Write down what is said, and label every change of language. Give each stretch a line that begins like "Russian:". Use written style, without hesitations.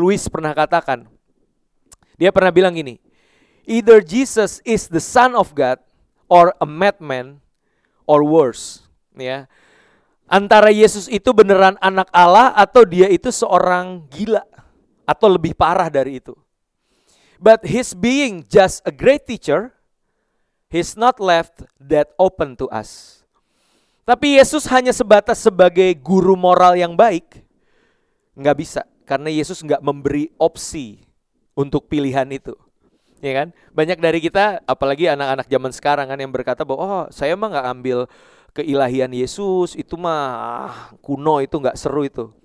Indonesian: Lewis pernah katakan. Dia pernah bilang gini,
English: either Jesus is the Son of God or a madman or worse, ya.
Indonesian: Antara Yesus itu beneran anak Allah atau dia itu seorang gila atau lebih parah dari itu.
English: But his being just a great teacher, he's not left that open to us.
Indonesian: Tapi Yesus hanya sebatas sebagai guru moral yang baik. Enggak bisa, karena Yesus enggak memberi opsi untuk pilihan itu. Ya kan? Banyak dari kita, apalagi anak-anak zaman sekarang kan, yang berkata bahwa, oh saya mah enggak ambil keilahian Yesus, itu mah kuno, itu enggak seru itu.